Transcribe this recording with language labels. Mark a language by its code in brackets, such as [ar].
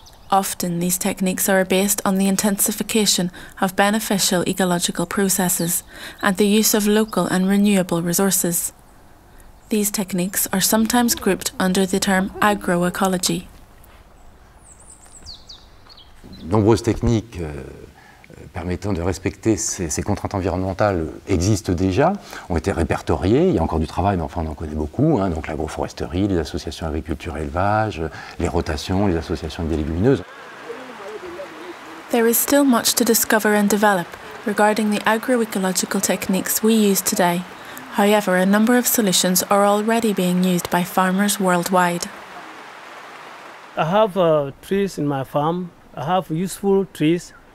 [en] Often these techniques are based on the intensification of beneficial ecological processes and the use of local and renewable resources. These techniques are sometimes grouped under the term agroecology. [fr] Nombreuses techniques permettant de respecter ces contraintes environnementales existent déjà, ont été répertoriées, il y a encore du travail, mais enfin on en connaît beaucoup, hein, donc l'agroforesterie, les associations agriculture-élevage, les rotations, les associations avec des légumineuses. [en] There is still much to discover and develop regarding the agroecological techniques we use today. However, a number of solutions are already being used by farmers worldwide. I have trees in my farm. I have useful trees.